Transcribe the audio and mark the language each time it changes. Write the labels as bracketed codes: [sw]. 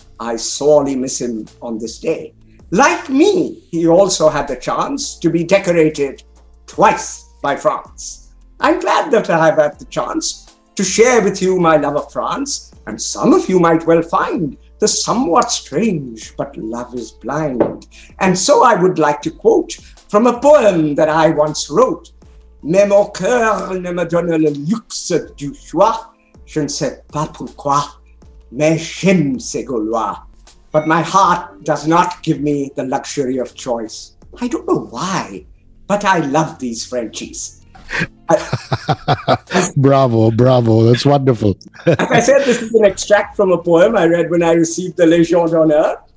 [en] I sorely miss him on this day. Like me, he also had the chance to be decorated twice by France. I'm glad that I have had the chance to share with you my love of France, and some of you might well find the somewhat strange, but love is blind. And so I would like to quote from a poem that I once wrote. [fr] Mais mon cœur ne me donne le luxe du choix, je ne sais pas pourquoi, mais j'aime ces Gaulois. [en] But my heart does not give me the luxury of choice. I don't know why, but I love these Frenchies. Bravo, that's wonderful. As I said, this is an extract from a poem I read when I received the Legion d'Honneur.